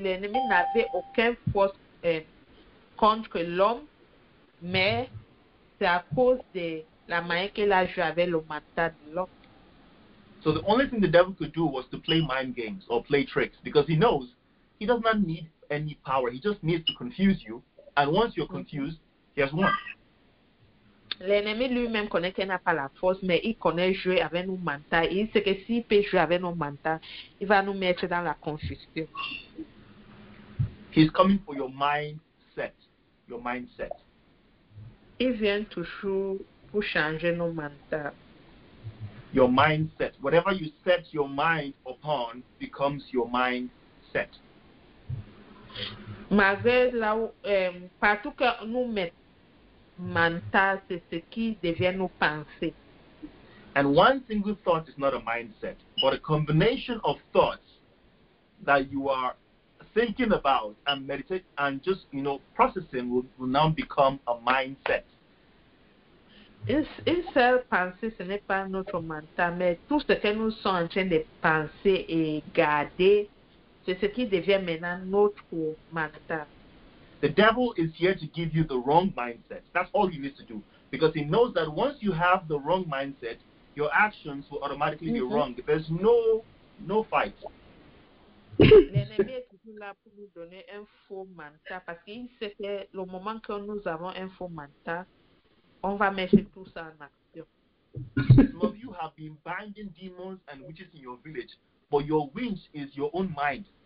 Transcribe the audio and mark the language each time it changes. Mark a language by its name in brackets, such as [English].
[French] L'ennemi n'avait aucune force contre l'homme, mais c'est à cause de la manière qu'il a joué avec le mental de l'homme. [English] So the only thing the devil could do was to play mind games or play tricks because he knows he does not need any power. He just needs to confuse you. And once you're confused, he has won. [French] L'ennemi lui-même connaît qu'il n'a pas la force, mais il connaît jouer avec nos mentaux. Il sait que s'il peut jouer avec nos mentaux, il va nous mettre dans la confusion. [English] He's coming for your mindset. Your mindset. [French] Il vient toujours pour changer nos mentaux. [English] Your mindset. Whatever you set your mind upon becomes your mindset. [French] Malgré là où, partout que nous mettons mental, c'est ce qui devient nos pensées. [English] And one single thought is not a mindset, but a combination of thoughts that you are thinking about and meditating and just, you know, processing will now become a mindset. [French] Une seule pensée, ce n'est pas notre mental, mais tout ce que nous sommes en train de penser et garder, c'est ce qui devient maintenant notre mental. [English] The devil is here to give you the wrong mindset. That's all you need to do. Because he knows that once you have the wrong mindset, your actions will automatically be wrong. There's no fight. [French] L'ennemi est toujours là pour nous donner un faux mental, parce qu'il sait que le moment que nous avons un faux mental, on va mettre tout ça en action. [English] Some of you have been binding demons and witches in your village, but your wings is your own mind.